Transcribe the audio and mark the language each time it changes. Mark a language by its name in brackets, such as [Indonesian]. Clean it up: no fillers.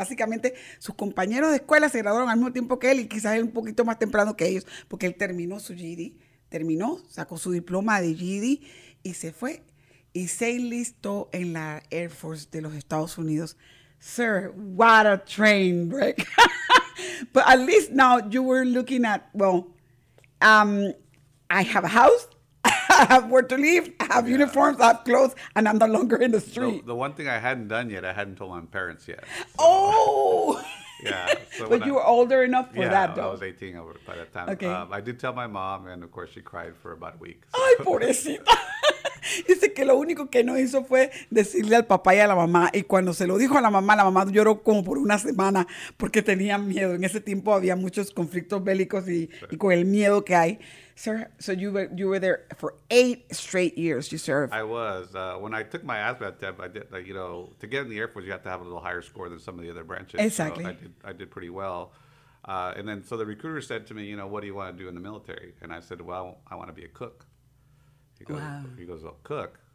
[Spanish] Básicamente, sus compañeros de escuela se graduaron al mismo tiempo que él, y quizás un poquito más temprano que ellos, porque él terminó su GED, terminó, sacó su diploma de GED, y se fue, y se enlistó en la Air Force de los Estados Unidos. [English] Sir, what a train wreck. But at least now you were looking at, well, I have a house, I have where to live, I have uniforms, I have clothes, and I'm no longer in the street. The one thing I hadn't done yet, I hadn't told my parents yet. So. Oh! Yeah. So but you were older enough for that, though. Yeah, I was 18 by that time. Okay. I did tell my mom, and of course she cried for about a week. [Spanish] So. Ay, pobrecita. Dice que lo único que no hizo fue decirle al papá y a la mamá. Y cuando se lo dijo a la mamá lloró como por una semana porque tenía miedo. En ese tiempo había muchos conflictos bélicos y con el miedo que hay. [English] Sir, so you were there for 8 straight years you served. I was. When I took my ASVAB test, I did, you know, to get in the Air Force, you have to have a little higher score than some of the other branches. Exactly. So I did pretty well. And then, so the recruiter said to me, you know, what do you want to do in the military? And I said, well, I want to be a cook. He goes, well, cook?